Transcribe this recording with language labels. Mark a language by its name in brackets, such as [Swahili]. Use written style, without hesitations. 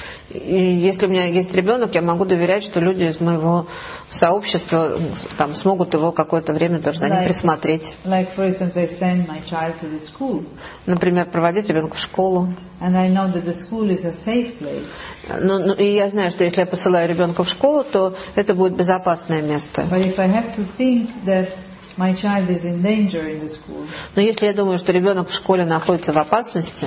[Russian] Если у меня есть ребенок, я могу доверять, что люди из моего сообщества там смогут его какое-то время тоже за ним присмотреть. [English] Like for instance, I send my child to the school. [Russian] Например, проводить ребенка в школу. [English] And I know that the school is a safe place. [Russian] Ну, и я знаю, что если я посылаю ребенка в школу, то это будет безопасное место. [English] But if I have to think that my child is in danger in the school. [Russian] Но если я думаю, что ребенок в школе находится в опасности,